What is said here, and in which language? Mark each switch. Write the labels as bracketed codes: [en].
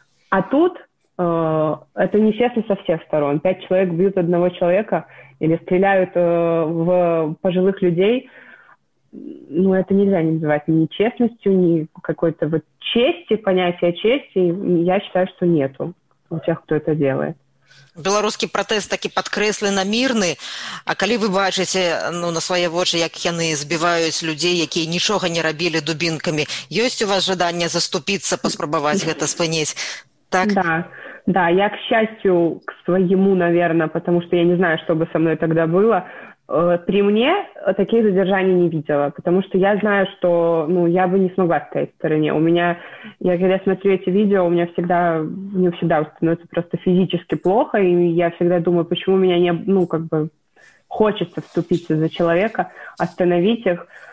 [ru] А тут это нечестно со всех сторон. 5 человек бьют одного человека или стреляют в пожилых людей. Ну, это нельзя не называть ни честностью, ни какой-то вот чести, понятия чести. Я считаю, что нету у тех, кто это делает. [be] Беларускі протест такі падкрэслена мірны, а калі вы бачыце, ну, на свае вочы, як яны збіваюць людзей, якія нічога не рабілі дубінкамі, ёсць у вас жаданне заступіцца, паспрабаваць гэта спыніць? Так? [ru] Да. Да, я, к счастью, к своему, наверное, потому что я не знаю, что бы со мной тогда было, при мне таких задержаний не видела, потому что я знаю, что, ну, я бы не смогла стоять в стороне. У меня, я когда смотрю эти видео, мне всегда становится просто физически плохо, и я всегда думаю, почему меня не, ну, как бы хочется вступиться за человека, остановить их.